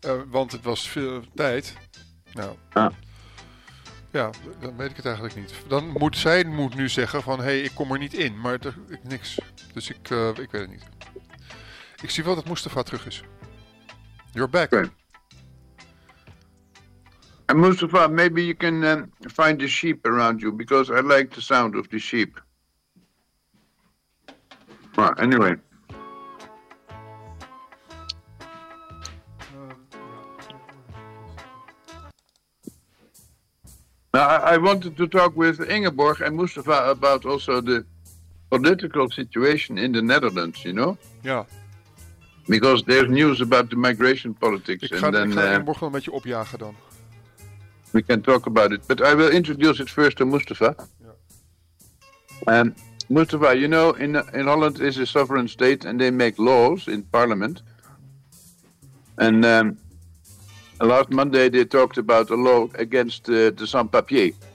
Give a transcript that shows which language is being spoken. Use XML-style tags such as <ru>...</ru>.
<nl>Want het was veel tijd. Nou. Ah. Ja, dan weet ik het eigenlijk niet. Dan moet zij moet nu zeggen van, hé, ik kom er niet in. Maar er, ik, niks. Dus ik weet het niet. Ik zie wel dat Mustafa terug is.</nl> <en>You're back. Okay. And Mustafa, maybe you can find the sheep around you. Because I like the sound of the sheep. Well, anyway. Now, I wanted to talk with Ingeborg and Mustafa about also the political situation in the Netherlands, you know? Yeah. Because there's news about the migration politics.</en> <nl>Ik ga Ingeborg wel een beetje opjagen dan.</nl> <en>We can talk about it, but I will introduce it first to Mustafa. Yeah. Mustafa, you know, in Holland is a sovereign state and they make laws in parliament. And last Monday they talked about a law against the sans-papier.</en>